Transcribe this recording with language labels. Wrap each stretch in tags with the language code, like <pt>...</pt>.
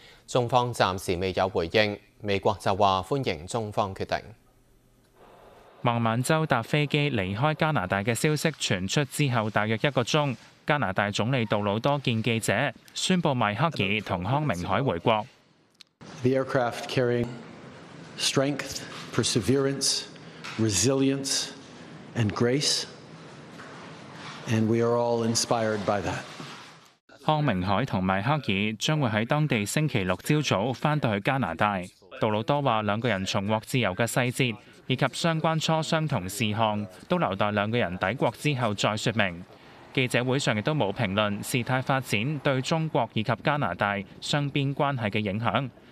<yue>中方暫時未有回應，美國就話歡迎中方決定。孟晚舟搭飛機離開加拿大的消息傳出之後，大約一個鐘，加拿大總理杜魯多見記者，宣布麥克爾同康明海回國。</yue> <en>The aircraft carrying strength. Perseverance, resilience, and grace, and we are all inspired by that.</en> <yue>康明海同麦克尔将会在当地星期六朝早翻到去加拿大。杜鲁多话，两个人重获自由的细节以及相关磋商同事项，都留待两个人抵国之后再说明。记者会上亦都冇评论事态发展对中国以及加拿大双边关系的影响。</yue>